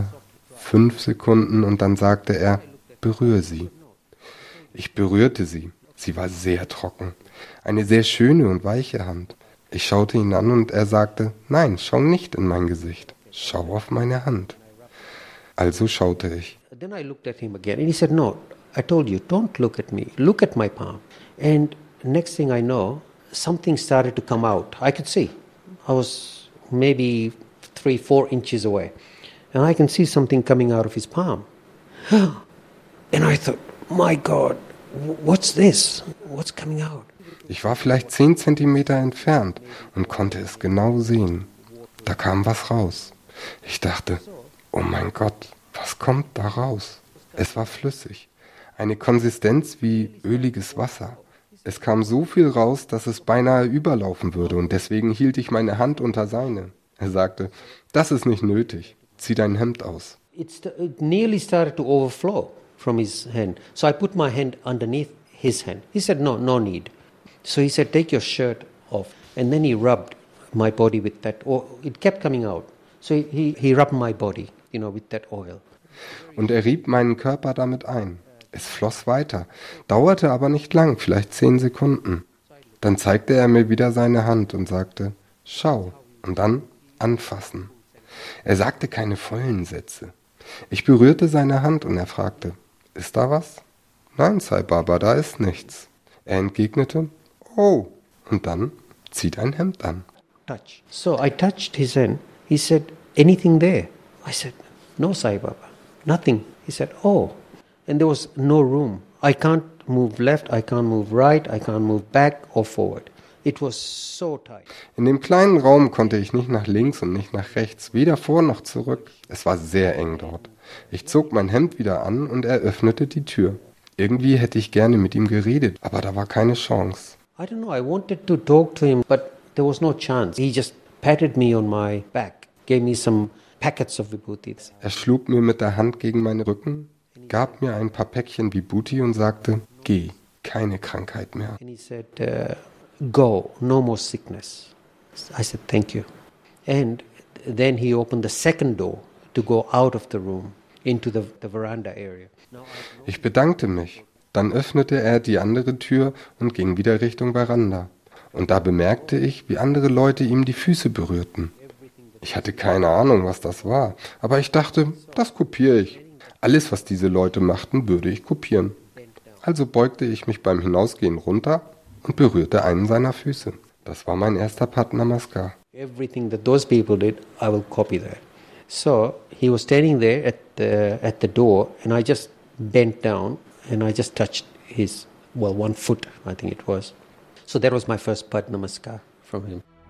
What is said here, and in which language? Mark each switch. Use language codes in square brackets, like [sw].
[de] 2, 3, 4, 5 Sekunden und dann sagte er, berühre sie. Ich berührte sie. Sie war sehr trocken. Eine sehr schöne und weiche Hand. Ich schaute ihn an und er sagte, nein, schau nicht in mein Gesicht. Schau auf meine Hand. Also schaute ich. [en] Then I looked at him again and he said, no, I told you, don't look at me. Look at my palm. And next thing I know, something started to come out. I could see. I was maybe 3, 4 inches away. And I can see something coming out of his palm. And I thought, my God, what's this? What's coming out? [de] Ich war vielleicht 10 Zentimeter entfernt und konnte es genau sehen. Da kam was raus. Ich dachte, oh mein Gott, was kommt da raus? Es war flüssig. Eine Konsistenz wie öliges Wasser. Es kam so viel raus, dass es beinahe überlaufen würde und deswegen hielt ich meine Hand unter seine. Er sagte, das ist nicht nötig. Zieh dein Hemd aus. [en] It nearly started to overflow from his hand. So I put my hand underneath his hand. He said, no, no need. So he said, take your shirt off. And then he rubbed my body with that oil. It kept coming out. So he rubbed my body, you know, with that oil. [de] Und er rieb meinen Körper damit ein. Es floss weiter, dauerte aber nicht lang, vielleicht 10 Sekunden. Dann zeigte er mir wieder seine Hand und sagte, schau, und dann anfassen. Er sagte keine vollen Sätze. Ich berührte seine Hand und er fragte, ist da was? Nein, Sai Baba, da ist nichts. Er entgegnete, oh, und dann zieht ein Hemd an. [en] Touch. So I touched his hand. He said, anything there? I said, no, Sai Baba, nothing. He said, oh, and there was no room. I can't move left, I can't move right, I can't move back or forward. It was so tight. [de] In dem kleinen Raum konnte ich nicht nach links und nicht nach rechts, weder vor noch zurück. Es war sehr eng dort. Ich zog mein Hemd wieder an und er öffnete die Tür. Irgendwie hätte ich gerne mit ihm geredet, aber da war keine Chance. [en] I don't know, I wanted to talk to him, but there was no chance. He just patted me on my back, gave me some packets of vibhutis. [de] Er schlug mir mit der Hand gegen meinen Rücken, gab mir ein paar Päckchen Vibhuti und sagte, geh, keine Krankheit mehr. [en] And he said, go, no more sickness. I said, thank you. And then he opened the second door to go out of the room into the veranda area. [de] Ich bedankte mich. Dann öffnete er die andere Tür und ging wieder Richtung Veranda. Und da bemerkte ich, wie andere Leute ihm die Füße berührten. Ich hatte keine Ahnung, was das war, aber ich dachte, das kopiere ich. Alles, was diese Leute machten, würde ich kopieren. Also beugte ich mich beim Hinausgehen runter und berührte einen seiner Füße. Das war mein erster Pat Namaskar. [en] Everything that those people did, I will copy that. So, he was standing there at the door and I just bent down. And I just touched his, well, 1 foot, I think it was. So that was my first Pad Namaskar from him.